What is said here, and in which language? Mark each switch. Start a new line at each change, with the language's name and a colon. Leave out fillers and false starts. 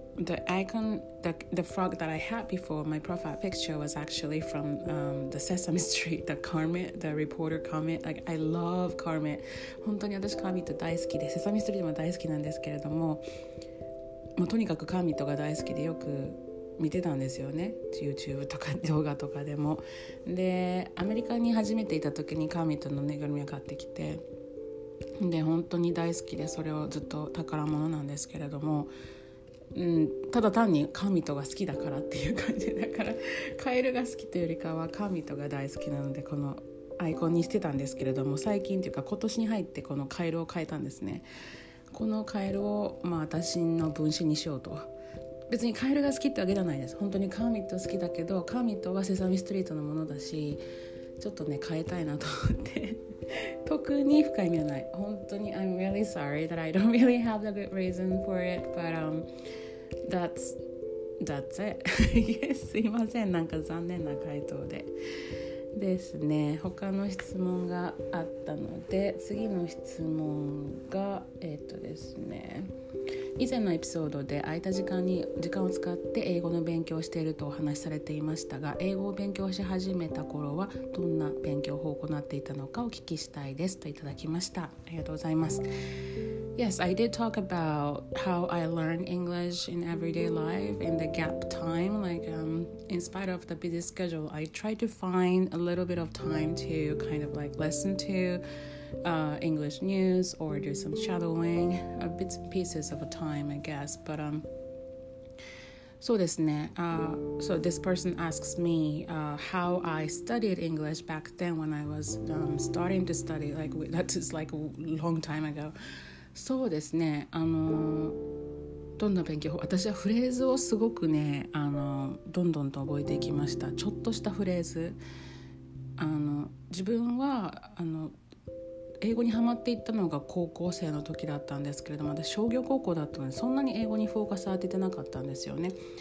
English: The icon, the frog that I had before my profile picture was actually from the Sesame Street, the Kermit, the reporter Kermit. Like I love Kermit.
Japanese: 本当に私カーミット大好きで、セサミストリートも大好きなんですけれども、まあ、とにかくカーミットが大好きでよく見てたんですよね。 YouTube とか動画とかでも。で、アメリカに初めていた時にカーミットのぬいぐるみを買ってきて、で本当に大好きでそれをずっと宝物なんですけれども。ただ単にカーミットが好きだからっていう感じだからカエルが好きというよりかはカーミットが大好きなのでこのアイコンにしてたんですけれども最近というか今年に入ってこのカエルを変えたんですねこのカエルをまあ私の分身にしようと別にカエルが好きってわけではないです本当にカーミット好きだけどカーミットはセサミストリートのものだしちょっとね変えたいなと思って特に深い意味はない本当に
English: I'm really sorry that I don't really have a good reason for it but that's it
Japanese: すいませんなんか残念な回答でですね他の質問があったので次の質問がですね以前のエピソードで空いた時間を使って英語の勉強をしているとお話しされていましたが英語を勉強し始めた頃はどんな勉強法を行っていたのかお聞きしたいですといただきましたありがとうございます
English: Yes, I did talk about how I learn English in everyday life in the gap time. Like, in spite of the busy schedule, I try to find a little bit of time to kind of like listen to English news or do some shadowing, bits and pieces of a time, I guess. But So this person asks me how I studied English back then when I was starting to study, like that is like a long time ago.
Japanese: そうですね、どんな勉強法、私はフレーズをすごくね、どんどんと覚えていきました。ちょっとしたフレーズ、自分は英語にハマっていったのが高校生の時だったんですけれども、私商業高校だったのでそんなに英語にフォーカス当ててなかったんですよね。